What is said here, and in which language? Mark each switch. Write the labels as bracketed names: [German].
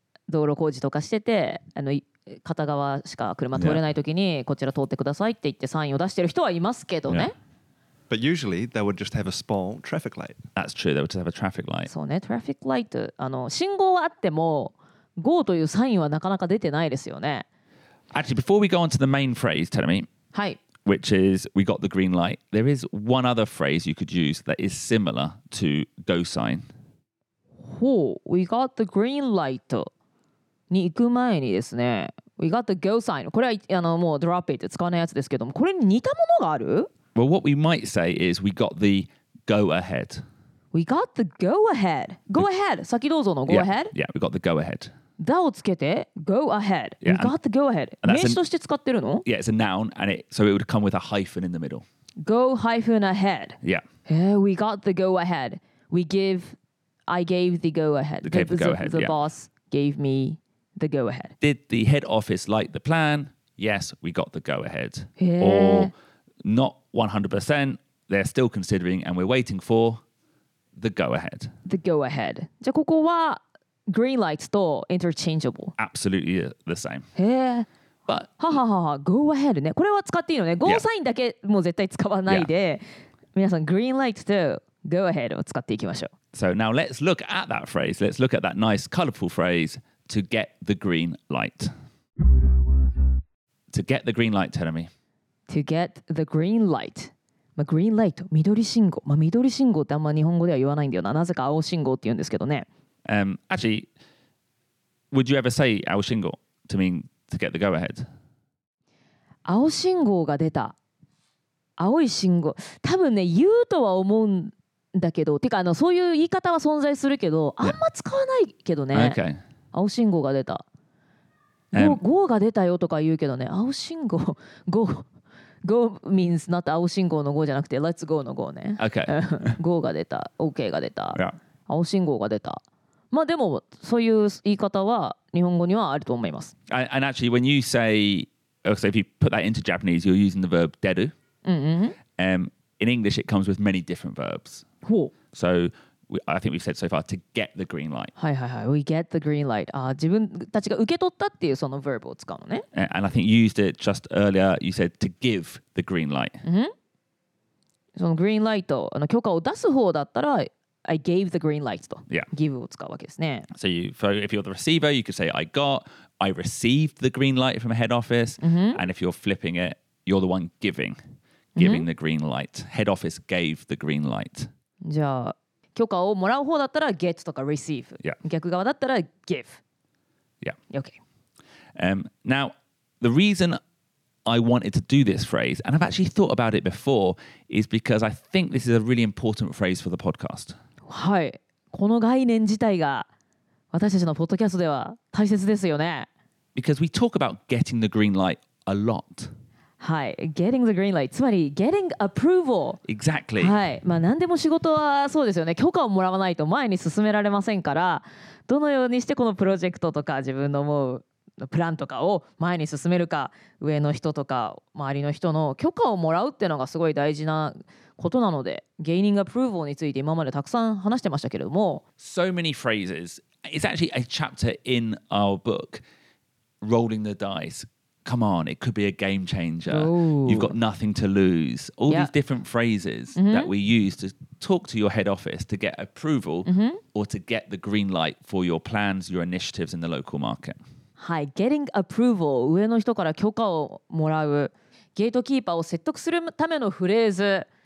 [Japanese] 道路工事とかしてて、あの片側しか車通れないときに、yeah. こちら通ってくださいって言ってサインを出してる人はいますけどね。 [English] Yeah. But usually they would just have a small traffic light. That's true. They would just have a traffic light. [Japanese] そうね、traffic light。あの信号はあっても、go というサインはなかなか出てないですよね。 [English] Actually, before we go on to the main phrase, tell me. [Japanese] はい。 [English] Which is we got the green light. There is one other phrase you could use that is similar to go sign. ほう、we got the green light. [Japanese] に行く前にですね [English] We got the go sign [Japanese] これはあのもう drop it 使わないやつですけどもこれに似たものがある [English] Well what we might say is We got the go ahead We got the go ahead Go ahead [Japanese] 先どうぞの [English] go yeah, ahead Yeah we got the go ahead [Japanese] だをつけて [English] Go ahead yeah, We got and, the go ahead [Japanese] 名詞として使ってるの [English] Yeah it's a noun and it, So it would come with a hyphen in the middle Go hyphen ahead Yeah We got the go ahead We give I gave the go ahead The boss gave meThe go ahead. Did the head office like the plan? Yes, we got the go ahead. Yeah. Or not 100%, they're still considering and we're waiting for the go ahead. The go ahead. [Japanese] じゃあここは green light と interchangeable. [English] Absolutely the same. Yeah. But [Japanese] ははははゴーアヘルね。これは使っていいのね。ゴーサインだけもう絶対使わないで、皆さんグリーンライトとゴーアヘルを使っていきましょう。 [English] So now let's look at that phrase. Let's look at that nice colorful phrase to get the green light. To get the green light, Terumi. To get the green light. [Japanese] まあ、グリーンライト、緑信号。まあ、緑信号ってあんま日本語では言わないんだよな。なぜか青信号って言うんですけどね。 [English] Actually, would you ever say 青信号 to mean to get the go ahead? [Japanese] 青信号が出た。青い信号。多分ね、言うとは思うんだけど、てかそういう言い方は存在するけど、あんま使わないけどね。 [English] Okay. [Japanese] 青信号が出た。ゴーが出たよとか言うけどね。青信号、ゴー。 [English] Go means not 青信号の go [Japanese] じゃなくて [English] Let's go の go ね。 Okay. [Japanese] go が出た。OK が出た。 [English] Yeah. [Japanese] 青信号が出た。まあでもそういう言い方は日本語にはあると思います。 [English] And actually, when you say, so if you put that into Japanese, you're using the verb 出る。 In English, it comes with many different verbs. So I think we've said so far to get the green light. はいはいはい。We get the green light. [Japanese] 自分たちが受け取ったっていうその verb を使うのね。 [English] And I think you used it just earlier. You said to give the green light. [Japanese] そのグリーンライト、許可を出す方だったら [English] I gave the green light [Japanese] と。 [English] Yeah. [Japanese] Give を使うわけですね。 [English] So you, for, if you're the receiver, you could say I received the green light from a head office. And if you're flipping it, you're the one giving the green light. Head office gave the green light. [Japanese] じゃあ許可をもらう方だったら get とか receive、 [English] yeah. [Japanese] 逆側だったら give、 [English] yeah. okay. Now the reason I wanted to do this phrase and I've actually thought about it before is because I think this is a really important phrase for the podcast. [Japanese] はい、この概念自体が私たちのポッドキャストでは大切ですよね。 [English] Because we talk about getting the green light a lot. [Japanese] はい、 [English] getting the green light [Japanese] つまり [English] getting approval。 Exactly。 [Japanese] はい、まあ何でも仕事はそうですよね。許可をもらわないと前に進められませんから、どのようにしてこのプロジェクトとか自分の思うプランとかを前に進めるか、上の人とか周りの人の許可をもらうっていうのがすごい大事なことなので、 [English] gaining approval [Japanese] について今までたくさん話してましたけれども、 [English] So many phrases. It's actually a chapter in our book, Rolling the Dice. Come on, it could be a game changer. Ooh. You've got nothing to lose. All、yeah. these different phrases、mm-hmm. that we use to talk to your head office to get approval、 mm-hmm. or to get the green light for your plans, your initiatives in the local market. Hi, getting approval. [Japanese] 上の人から許可をもらう。ゲートキーパーを説得するためのフレーズ。